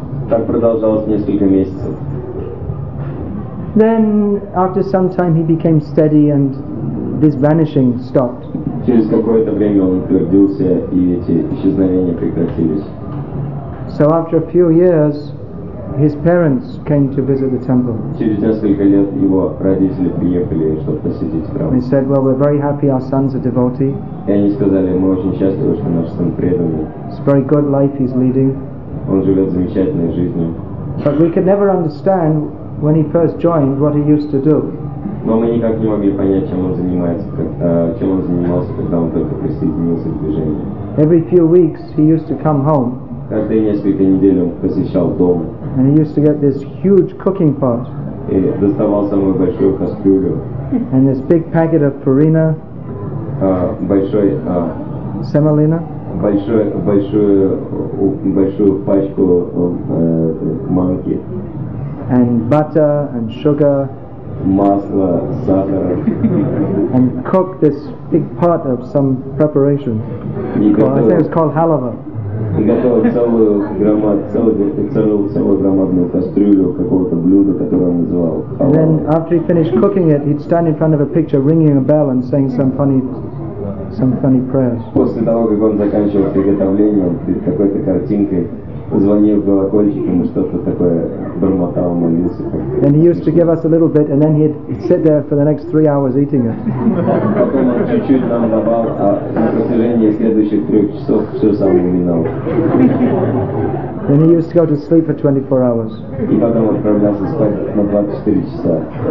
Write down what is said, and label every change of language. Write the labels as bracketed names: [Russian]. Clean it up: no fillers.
[Russian] Так продолжалось несколько месяцев. [English] Then, after some time, he became steady and this vanishing stopped. [Russian] Через какое-то время он утвердился, и эти исчезновения прекратились. [English] So after a few years, his parents came to visit the temple. [Russian] Через несколько лет его родители приехали, чтобы посетить храм. [English] They said, well, we're very happy our son's a devotee. [Russian] И они сказали, мы очень счастливы, что наш сын преданный. [English] It's a very good life he's leading. [Russian] Он живет замечательной жизнью. [English] But we could never understand when he first joined what he used to do. [Russian] Но мы никак не могли понять, чем он занимался, когда он только присоединился к движению. [English] Every few weeks he used to come home. [Russian] Каждые несколько недель он посещал дом. [English] And he used to get this huge cooking pot. [Russian] И доставал самую большую кастрюлю. [English] And this big packet of farina. Semolina. [Russian] Большую пачку манки. [English] And butter and sugar. [Russian] Масло, сахар. [English] And cook this big pot of some preparation. Well, I think it's called halva. [Russian] и готовят целую громадную кастрюлю какого-то блюда, которое он называл. [English] And then after he finished cooking it, he'd stand in front of a picture, ringing a bell and saying some funny prayers. [Russian] После того, как он заканчивал приготовление, перед какой-то картинкой звонил колокольчиком и что-то такое бормотал, молился. [English] And he used to give us a little bit, and then he'd sit there for the next 3 hours eating it. [Russian] Потом он чуть-чуть нам давал, а на протяжении следующих 3 часов все сам уминал. [English] Then he used to go to sleep for 24 hours. [Russian] И потом отправлялся спать на 24 часа.